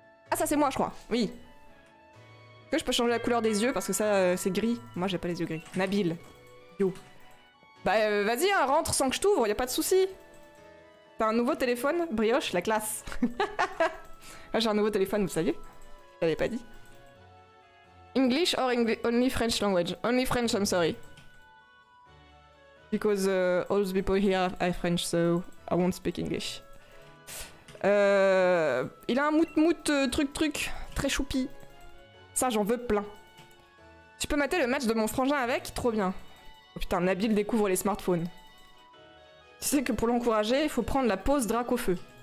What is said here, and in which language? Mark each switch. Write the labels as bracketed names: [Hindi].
[French] Ah, ça c'est moi, je crois, oui. Est-ce que je peux changer la couleur des yeux? Parce que ça, c'est gris. Moi, j'ai pas les yeux gris. Nabil. Yo. Bah, vas-y, hein, rentre sans que je t'ouvre, y'a pas de soucis. T'as un nouveau téléphone? Brioche, la classe. Ah, j'ai un nouveau téléphone, vous saviez? Je l'avais pas dit. [English] English or only French language? Only French, I'm sorry. Because all the people here are French, so I won't speak English. [French] Il a un moutmout truc, très choupi. Ça, j'en veux plein. Tu peux mater le match de mon frangin avec? Trop bien. Oh putain, Nabil découvre les smartphones. Tu sais que pour l'encourager, il faut prendre la pause Dracaufeu.